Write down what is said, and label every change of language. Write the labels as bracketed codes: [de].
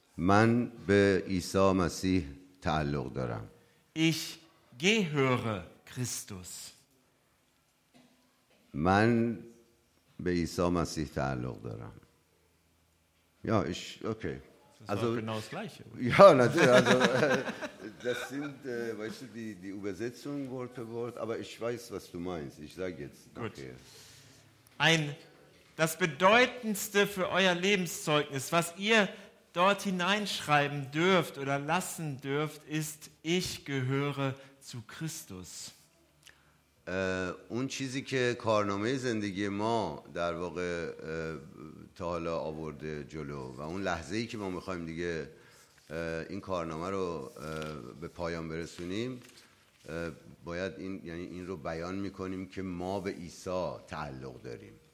[fa] من به عیسی مسیح تعلق دارم. [de] Ich gehöre Christus. [fa] من به عیسی مسیح تعلق دارم. اوکی. [de] Also genau das gleiche. Oder? Ja, natürlich. Also das sind, weißt du, die Übersetzung Wort für Wort. Aber ich weiß, was du meinst. Ich sage jetzt. Gut. Okay. Das Bedeutendste für euer Lebenszeugnis, was ihr dort hineinschreiben dürft oder lassen dürft, ist: Ich gehöre zu Christus. [fa] اون چیزی که کارنامه زندگی ما در واقع تا حالا آورده جلو و اون لحظه‌ای که ما می‌خوایم دیگه این کارنامه رو به پایان برسونیم باید این یعنی این رو بیان می‌کنیم که ما به عیسی تعلق داریم.